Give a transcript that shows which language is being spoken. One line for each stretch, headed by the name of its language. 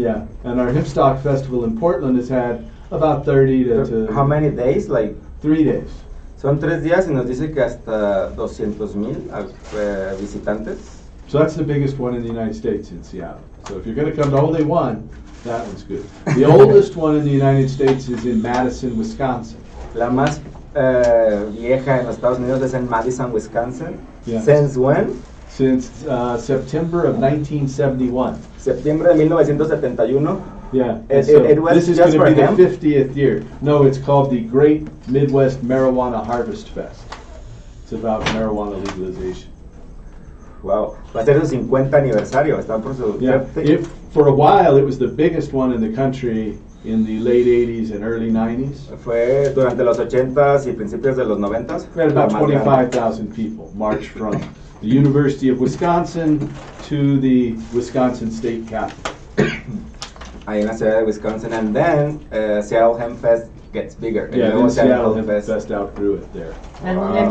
English: Yeah, and our Hempstock Festival in Portland has had about 30 to... How many days? Like 3 days.
Spanish: Son 3 días y nos dice que hasta 200,000 visitantes.
English: So that's the biggest one in the United States in Seattle. So if you're going to come to only one, that one's good. The oldest one in the United States is in Madison, Wisconsin.
Spanish: La más vieja en los Estados Unidos es en Madison, Wisconsin.
English: Yes. Since when? Since September of 1971.
Spanish: Septiembre de 1971.
English: Yeah, so this is going to be the 50th year. No, it's called the Great Midwest Marijuana Harvest Fest. It's about marijuana legalization.
Spanish: Wow, va a ser su 50 aniversario. Están por su.
English: Yeah, for a while it was the biggest one in the country in the late 80s and early 90s.
Spanish: Fue durante los 80s y principios de los 90s.
English: We had about 25,000 people march from the University of Wisconsin to the Wisconsin State Capitol.
Spanish: Ahí en la ciudad de Wisconsin,
English: and then Seattle Hemp Fest gets bigger. Yeah, and Seattle Hemp Fest outgrew it there. Wow.